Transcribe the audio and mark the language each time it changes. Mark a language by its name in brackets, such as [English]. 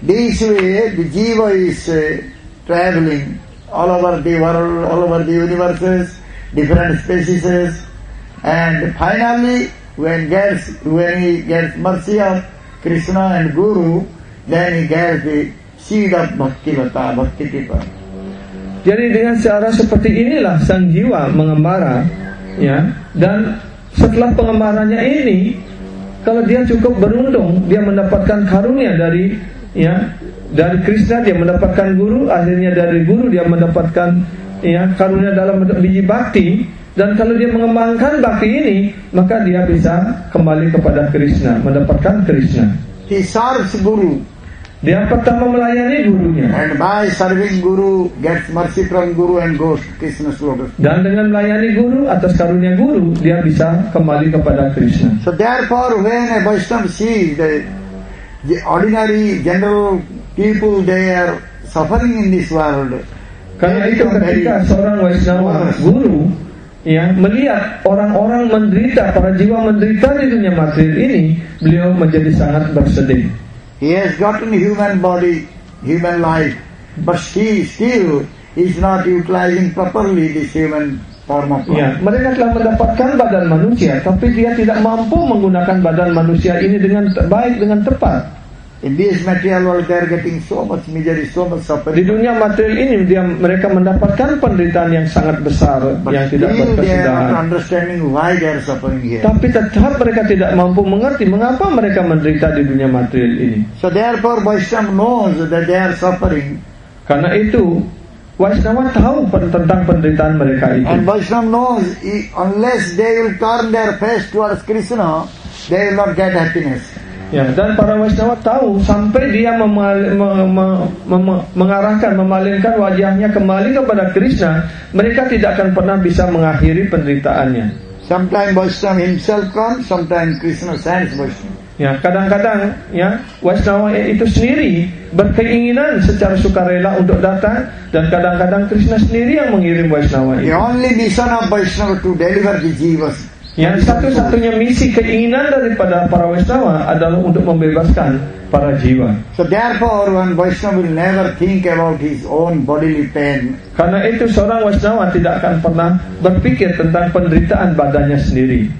[English] This way the jiva is traveling all over the world, all over the universes, different species, and finally when he gets mercy of Krishna and Guru, then he gets the seed of bhakti lata, bhakti tipa. [Indonesian] Jadi dengan cara seperti inilah sang jiwa mengembara, ya. Dan setelah pengembaranya ini, kalau dia cukup beruntung, dia mendapatkan karunia dari, ya, dari Krishna dia mendapatkan guru, akhirnya dari guru dia mendapatkan, ya, karunia dalam bentuk biji bhakti. Dan kalau dia mengembangkan bhakti ini, maka dia bisa kembali kepada Krishna, mendapatkan Krishna. [English] He serves guru. [Indonesian] Dia pertama melayani gurunya. [English] And by serving guru, gets mercy from guru and goes to Krishna's lotus. [Indonesian] Dan dengan melayani guru atas karunia guru, dia bisa kembali kepada Krishna. [English] So therefore, when a Vaishnava sees the ordinary general people, they are suffering in this world. [Indonesian] Karena itu ketika seorang Vaishnava guru, ya, melihat orang-orang menderita, para jiwa menderita di dunia materi ini, beliau menjadi sangat bersedih. [English] He has gotten human body, human life, but he still is not utilizing properly this human form of life. [Indonesian] Ya, mereka telah mendapatkan badan manusia, tapi dia tidak mampu menggunakan badan manusia ini dengan baik, dengan tepat. [English] In this material world, they are getting so much misery, so much suffering. [Indonesian] Di dunia material ini, dia mereka mendapatkan penderitaan yang sangat besar, [English] but [Indonesian] yang tidak berkesudahan. [English] They are not understanding why they are suffering here. [Indonesian] Tapi tetap mereka tidak mampu mengerti mengapa mereka menderita di dunia material ini. [English] So therefore, Vaishnava knows that they are suffering. [Indonesian] Karena itu, Vaishnava tahu tentang penderitaan mereka itu. [English] And Vaishnava knows unless they will turn their face towards Krishna, they will not get happiness. [Indonesian] Ya, dan para Vaishnava tahu sampai dia memalingkan wajahnya kembali kepada Krishna, mereka tidak akan pernah bisa mengakhiri penderitaannya. [English] Sometimes Vaishnava himself comes, sometimes Krishna sends Vaishnava. [Indonesian] Ya, kadang-kadang ya Vaishnava itu sendiri berkeinginan secara sukarela untuk datang, dan kadang-kadang Krishna sendiri yang mengirim Vaishnava. [English] The only mission of Vaishnava to deliver the jivas. [Indonesian] Yang satu-satunya misi keinginan daripada para Vaishnava adalah untuk membebaskan para jiwa. [English] So therefore, one Vaishnava will never think about his own bodily pain. [Indonesian] Karena itu seorang Vaishnava tidak akan pernah berpikir tentang penderitaan badannya sendiri.